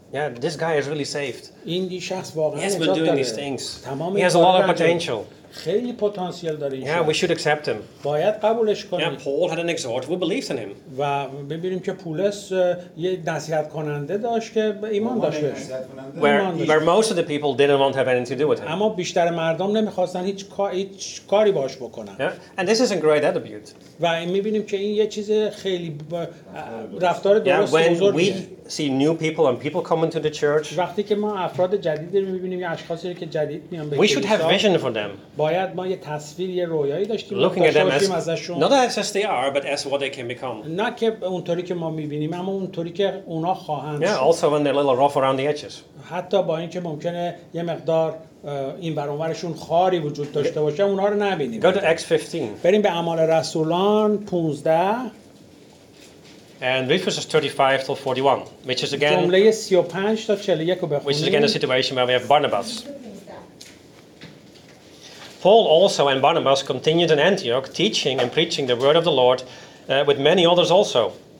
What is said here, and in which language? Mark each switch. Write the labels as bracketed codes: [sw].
[en] Yeah, this guy is really saved. [fa] این شخص واقعا [en] He's been doing these things. He has a lot of potential. [fa] خیلی پتانسیل داره. [en] Yeah, we should accept him. [fa] باید قبولش کنیم. [en] Yeah, Paul had an exhort who believed in him. [fa] و ببینیم که پولس یه نصیحت کننده داشت که ایمان داشت بهش. [en] Where most of the people didn't want to have anything to do with him. [fa] اما بیشتر مردم نمیخواستن هیچ کاری باش بکنن. [en] Yeah, and this is a great attribute. [fa] و میبینیم که این یه چیز خیلی رفتار درست بزرگیه. [en] Yeah, when we see new people and people come into the church. [fa] وقتی که ما افراد جدید رو میبینیم یا اشخاصی که جدید میان به [en] We should have vision for them. [fa] باید ما یه تصویر یه رویایی داشته باشیم. [en] Looking at them as not as they are but as what they can become. [fa] نه که اونطوری که ما میبینیم اما اونطوری که اونا خواهند شد. [en] Yeah, also when they're a little rough around the edges. [fa] حتی با اینکه ممکنه یه مقدار این برانورشون خاری وجود داشته باشه اونها رو نبینیم. [en] Go to Acts 15. [fa] بریم به اعمال رسولان 15. [en] And read verses 35 to 41, which is again. [fa] جمله 35 تا 41 رو بخونیم. [en] Which is again the situation where we have Barnabas. Paul also and Barnabas continued in Antioch, teaching and preaching the word of the Lord with many others also.